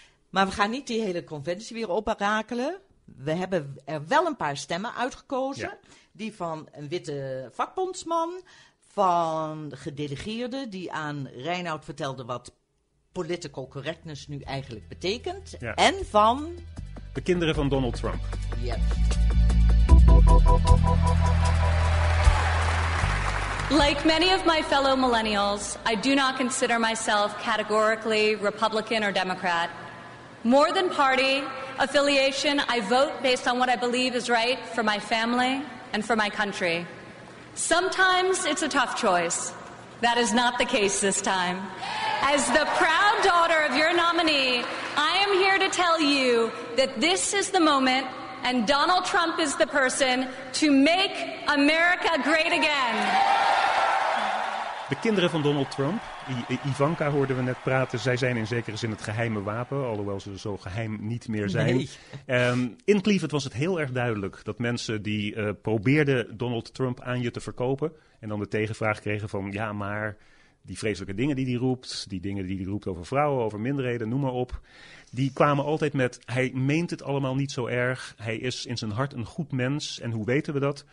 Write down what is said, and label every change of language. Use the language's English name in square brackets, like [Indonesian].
[Dutch] Maar we gaan niet die hele conventie weer oprakelen. We hebben er wel een paar stemmen uitgekozen. Ja. Die van een witte vakbondsman, van gedelegeerden die aan Reinhold vertelden wat political correctness nu eigenlijk betekent. Ja. En van de kinderen van Donald Trump. [English] Yes. Like many of my fellow millennials, I do not consider myself categorically Republican or Democrat. More than party affiliation, I vote based on what I believe is right for my family and for my country. Sometimes it's a tough choice. That is not the case this time. As the proud daughter of your nominee, I am here to tell you that this is the moment and Donald Trump is the person to make America great again. [Dutch] De kinderen van Donald Trump, Ivanka hoorden we net praten, zij zijn in zekere zin het geheime wapen, alhoewel ze zo geheim niet meer zijn. Nee. In Cleveland was het heel erg duidelijk dat mensen die probeerden Donald Trump aan je te verkopen en dan de tegenvraag kregen van ja, maar die vreselijke dingen die hij roept, die dingen die hij roept over vrouwen, over minderheden, noem maar op, die kwamen altijd met hij meent het allemaal niet zo erg, hij is in zijn hart een goed mens. En hoe weten we dat?